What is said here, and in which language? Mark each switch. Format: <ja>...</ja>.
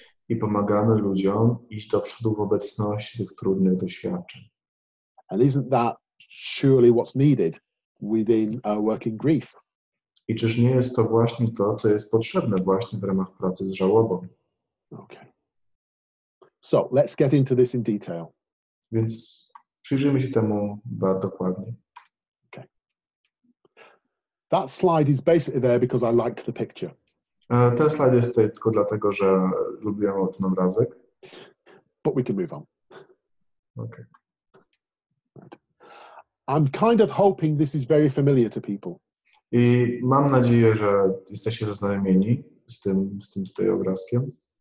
<pl>I pomagamy ludziom iść do przodu w obecności tych trudnych doświadczeń.</pl> <en>And isn't that surely what's needed within our working grief?</en> <pl>I czyż nie jest to właśnie to, co jest potrzebne właśnie w ramach pracy z żałobą?</pl> <en>Okay. So, let's get into this in detail.</en> <pl>Więc przyjrzyjmy się temu bardzo dokładnie.</pl> <en>Okay. That slide is basically there because I liked the picture.</en> <pl>Ten slajd jest tutaj tylko dlatego, że lubiłem ten obrazek.</pl> <en>But we can move on. Okay. I'm kind of hoping this is very familiar to people.</en> <pl>I mam nadzieję, że jesteście zaznajomieni z tym tutaj obrazkiem.</pl>